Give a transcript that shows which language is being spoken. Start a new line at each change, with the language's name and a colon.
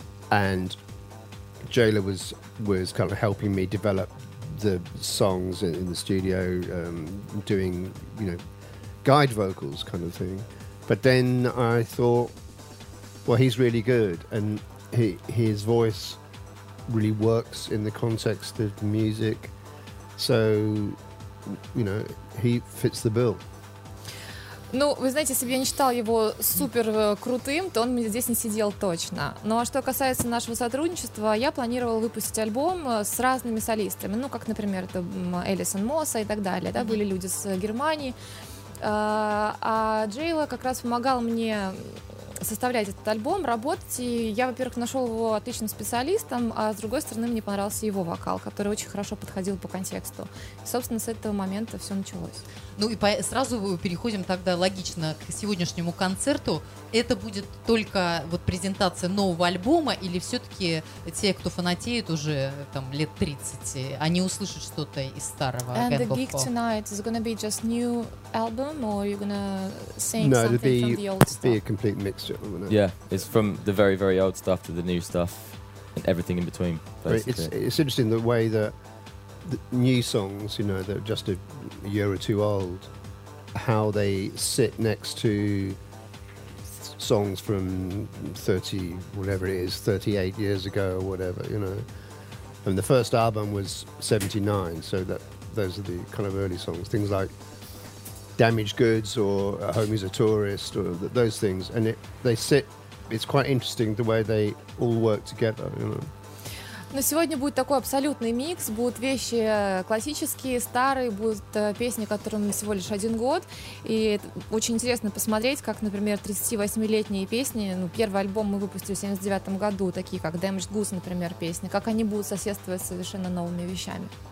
English: And Jayla was kind of helping me develop the songs in the studio, doing, you know, guide vocals kind of thing. But then I thought, well, he's really good, and his voice really works in the context of music, so, you know, he fits the bill.
Russian: Ну, вы знаете, если бы я не считал его супер крутым, то он мне здесь не сидел точно. Ну, а что касается нашего сотрудничества, я планировала выпустить альбом с разными солистами. Ну, как, например, это Элисон Мосса и так далее. Да, были люди с Германии. А Джейла как раз помогал мне составлять этот альбом, работать. И я, во-первых, нашел его отличным специалистом, а с другой стороны, мне понравился его вокал, который очень хорошо подходил по контексту. И, собственно, с этого момента все началось. Ну и сразу переходим тогда логично к сегодняшнему концерту. Это будет только вот презентация нового альбома, или все-таки те, кто фанатеет уже там лет 30, они услышат что-то из старого?
English: And the gig tonight is gonna be just new album, or you're gonna sing no, something from the old stuff? No, it'll be a complete mixture. Yeah, it's from the very, very old stuff to the new stuff and everything in between. It's interesting the way that the new songs, you know, that are just a year or two old, how they sit next to songs from 30, whatever it is, 38 years ago or whatever, you know. And the first album was 79, so that those are the kind of early songs, things like Damaged Goods or A Homie's a Tourist or those things. And it's quite interesting the way they all work together, you know.
Russian: Но сегодня будет такой абсолютный микс, будут вещи классические, старые, будут песни, которым всего лишь один год, и очень интересно посмотреть, как, например, 38-летние песни, ну, первый альбом мы выпустили в 79-м году, такие как Damaged Goods, например, песни, как они будут соседствовать с совершенно новыми вещами.